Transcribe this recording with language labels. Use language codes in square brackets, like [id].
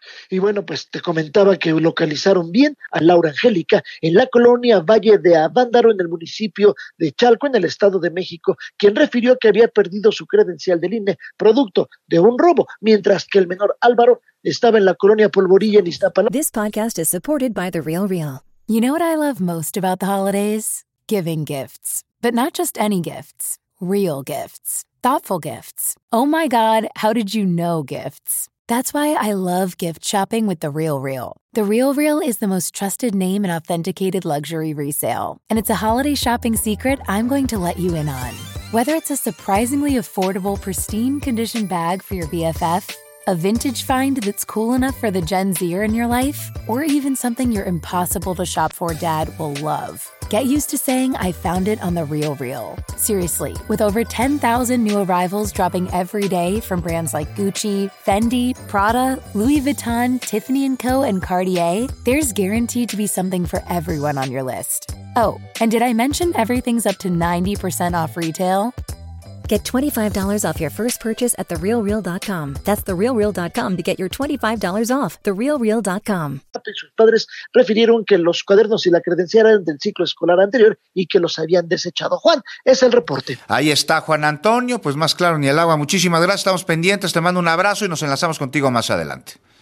[es] Y bueno, pues te comentaba que localizaron bien a Laura Angélica en la colonia Valle de Avándaro, en el municipio de Chalco, en el Estado de México, quien refirió que había perdido su credencial del INE producto de un robo, mientras que el menor Álvaro estaba en la colonia Polvorilla en Iztapalapa. [en] This podcast is supported by The Real Real. You know what I love most about the holidays? Giving gifts. But not just any gifts. Real gifts. Thoughtful gifts. Oh my God, how did you know gifts? That's why I love gift shopping with The Real Real. The Real Real is the most trusted name in authenticated luxury resale. And it's a holiday shopping secret I'm going to let you in on. Whether it's a surprisingly affordable, pristine condition bag for your BFF, a vintage find that's cool enough for the Gen Zer in your life, or even something your impossible to shop for dad will love. Get used to saying, I found it on The Real Real. Seriously, with over 10,000 new arrivals dropping every day from brands like Gucci, Fendi, Prada, Louis Vuitton, Tiffany & Co., and Cartier, there's guaranteed to be something for everyone on your list. Oh, and did I mention everything's up to 90% off retail? Get $25 off your first purchase at TheRealReal.com. That's TheRealReal.com to get your $25 off. TheRealReal.com. [es] Sus padres refirieron que los cuadernos y la credencial eran del ciclo escolar anterior y que los habían desechado. Juan, es el reporte. Ahí está Juan Antonio, pues más claro ni el agua. Muchísimas gracias, estamos pendientes, te mando un abrazo y nos enlazamos contigo más adelante.